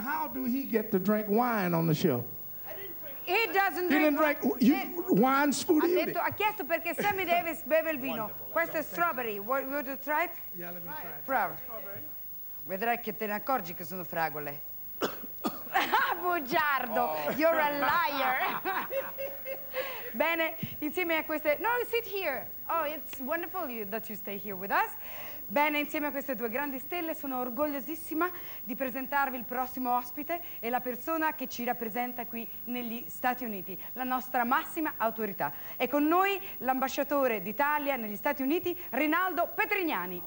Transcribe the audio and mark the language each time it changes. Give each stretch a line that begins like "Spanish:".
English: How do he get to drink wine on the show? He doesn't drink. He didn't drink you, wine, Scooty.
Italian: Ha chiesto perché Sammy Davis beve il vino. Questo è
English: strawberry. Would you try it? Yeah, let me try it.
Italian: Prova. Vedrai che te ne accorgi che sono fragole. Bugiardo.
English: Oh. You're a liar.
Italian: Bene, insieme a queste.
English: No, sit here. Oh, it's wonderful that you stay here with us.
Italian: Bene, insieme a queste due grandi stelle sono orgogliosissima di presentarvi il prossimo ospite e la persona che ci rappresenta qui negli Stati Uniti, la nostra massima autorità. È con noi l'ambasciatore d'Italia negli Stati Uniti, Rinaldo Petrignani.